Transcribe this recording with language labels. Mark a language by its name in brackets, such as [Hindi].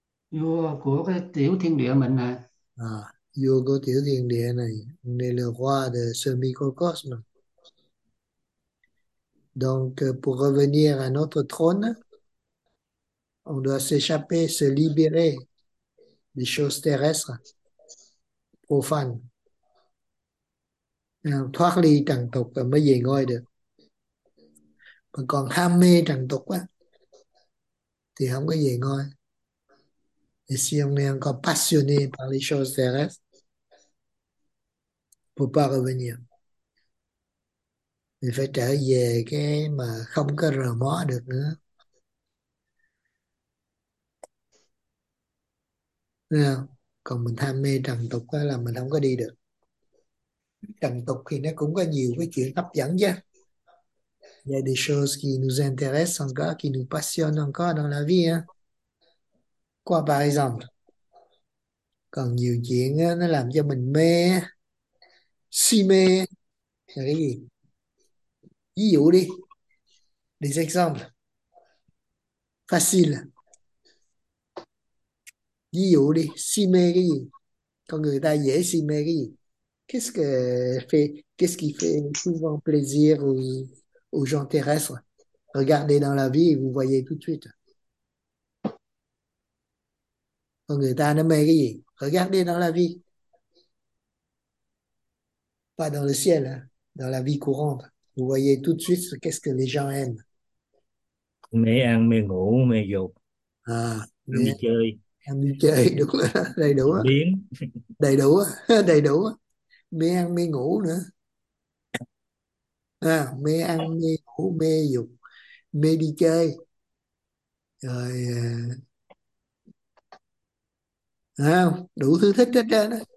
[Vietnamese] vua của cái tiểu thiên địa mình nè. Vua của tiểu thiên địa này. [French] Né le roi de ce microcosme. Donc, pour revenir à notre trône, on doit s'échapper, se libérer des choses terrestres, profanes. [Vietnamese] Thoát ly trần tục và mới về ngôi được. Còn ham mê trần tục á, thì không có về ngôi. [French] Et si on est encore passionné par les choses terrestres, ne peut pas revenir. [Vietnamese] Il phải trở về cái mà không có rờ mó được nữa. Không? Còn mình tham mê trần tục đó là mình không có đi được. Trần tục thì nó cũng có nhiều cái chuyện hấp dẫn chứ. [French] Y a des choses qui nous intéressent encore, qui nous passionnent encore dans la vie. Hein? Quoi, par exemple? [Vietnamese] Còn nhiều chuyện đó, nó làm cho mình mê, si mê. Cái gì? Ví dụ đi. [French] Des exemples. Facile. [Vietnamese] Ví dụ đi. Si mê cái gì? Con người ta dễ si mê cái gì? [French] Qu'est-ce qui fait souvent plaisir aux gens terrestres? Regardez dans la vie et vous voyez tout de suite. Con người ta nó mê cái gì? Regardez dans la vie. Pas dans le ciel, hein? Dans la vie courante. Vous voyez tout de suite ce qu'est-ce que les gens aiment. [Vietnamese] Mê ăn, mê ngủ, mê dục, À, mê đi chơi, ăn đi chơi, đúng rồi, đầy đủ á. biến. Đầy đủ á, đầy đủ á. Mê ăn, mê ngủ nữa. À, mê ăn, mê ngủ, mê dục, mê đi chơi. Rồi, à, đủ thứ thích hết trơn á.